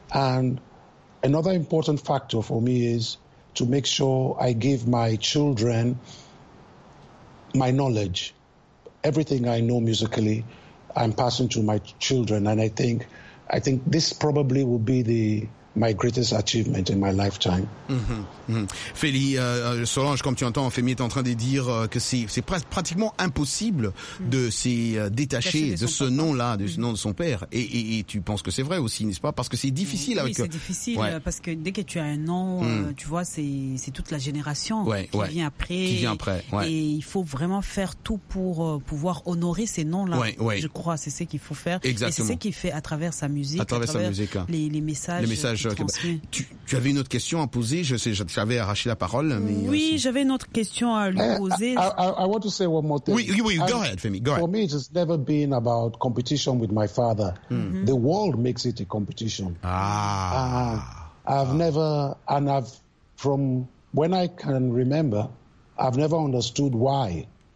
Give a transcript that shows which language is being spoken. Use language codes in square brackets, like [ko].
[en] And another important factor for me is to make sure I give my children my knowledge. Everything I know musically, I'm passing to my children. And I think this probably will be the my greatest achievement in my lifetime. [fr] Féli, Solange, comme tu entends, Fémi est en train de dire que c'est pratiquement impossible de s'y détacher de ce nom-là, de ce nom de son père. Et tu penses que c'est vrai aussi, n'est-ce pas? Parce que c'est difficile avec... Oui, c'est difficile, ouais. Parce que dès que tu as un nom, tu vois, c'est toute la génération qui vient après. Ouais. Et il faut vraiment faire tout pour pouvoir honorer ces noms-là. Ouais, ouais. Je crois, c'est ce qu'il faut faire. Exactement. Et c'est ce qu'il fait à travers sa musique, les messages. Tu avais une autre question à poser. J'avais arraché la parole. Mais oui, j'avais une autre question à lui poser. [en] I want to say one more thing. [fr] Oui, [en] go ahead, Femi. For me, it has never been about competition with my father. Mm-hmm. The world makes it a competition. From when I can remember, I've never understood why.